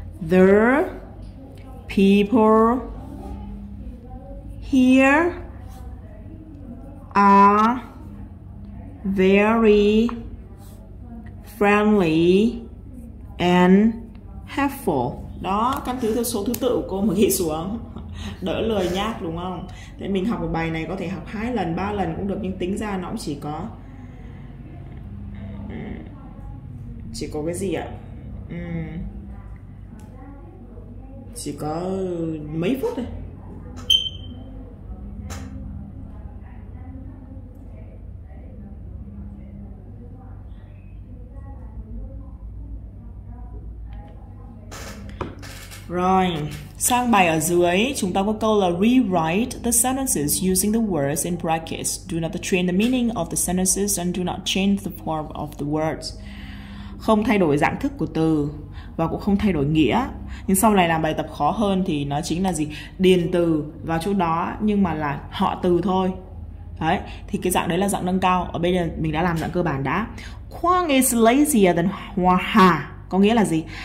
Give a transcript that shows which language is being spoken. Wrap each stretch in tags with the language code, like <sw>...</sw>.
<en>The people here are very friendly and helpful.</en> <vi>Đó, căn cứ theo số thứ tự của cô mà ghi xuống. Đỡ lười nhác đúng không? Thế mình học một bài này có thể học 2 lần, 3 lần cũng được, nhưng tính ra nó cũng chỉ có cái gì ạ? Chỉ có mấy phút thôi. Rồi, sang bài ở dưới chúng ta có câu là</vi> <en>rewrite the sentences using the words in brackets. Do not change the meaning of the sentences and do not change the form of the words.</en> <vi>Không thay đổi dạng thức của từ và cũng không thay đổi nghĩa. Nhưng sau này làm bài tập khó hơn thì nó chính là gì? Điền từ vào chỗ đó nhưng mà là họ từ thôi. Đấy, thì cái dạng đấy là dạng nâng cao. Ở bây giờ mình đã làm dạng cơ bản đã.</vi> <en>Khoang is lazier than Hà.</en> <vi>Có nghĩa là gì?</vi>